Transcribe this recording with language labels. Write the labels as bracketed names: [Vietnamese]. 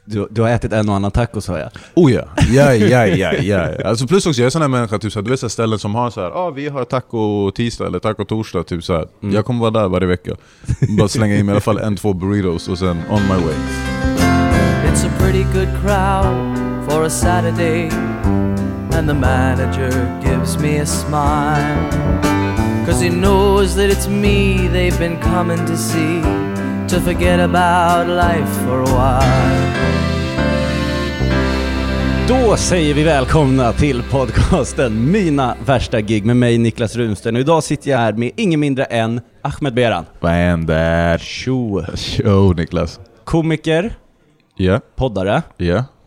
[Swedish] Du har ätit en och annan tacos, har jag. Oh ja, ja. Alltså plus också, jag är sån här människa, typ såhär, du vet såhär ställen som har såhär, vi har taco tisdag eller taco torsdag, typ såhär. Mm. Jag kommer vara där varje vecka. Bara slänga in i alla fall 1-2 burritos och sen [English] on my way. It's a pretty good crowd for a Saturday, and the manager gives me a smile, 'cause he knows that it's me they've been coming to see, to forget about life for a while. [Swedish] Då säger vi välkomna till podcasten Mina värsta gig med mig, Niklas Runsten. Och idag sitter jag här med ingen mindre än Ahmed Behran. Vad händer? Tjo, Niklas. Komiker. Ja. [English] Yeah. [Swedish] Poddare. Ja. [English] Yeah.